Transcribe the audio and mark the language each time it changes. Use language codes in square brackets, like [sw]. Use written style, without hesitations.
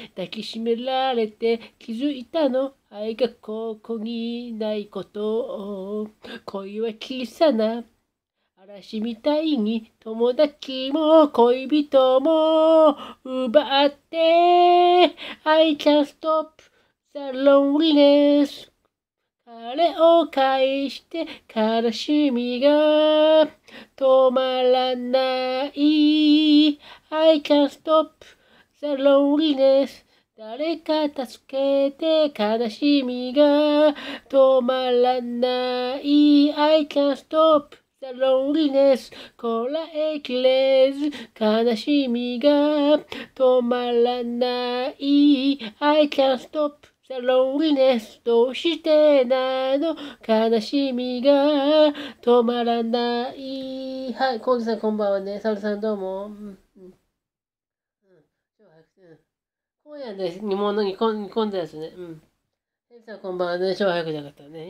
[ja] 抱きしめられて気づいたの、愛がここにないことを。恋は小さな嵐みたいに、友達も恋人も奪って。 [en] I can't stop the loneliness。 [ja] 彼を返して悲しみが止まらない。 [en] I can't stop the loneliness。 [ja] 誰か助けて、悲しみが止まらない。 [en] I can't stop the loneliness。 [ja] こらえきれず悲しみが止まらない。 [en] I can't stop The loneliness。 [ja] どうしてなの、悲しみが止まらない。はい、コウジさんこんばんはね。サルさんどうも。今日は、今夜ね、煮物に煮込んだやつね。ヘイさんこんばんはね。超早くじゃなかったね。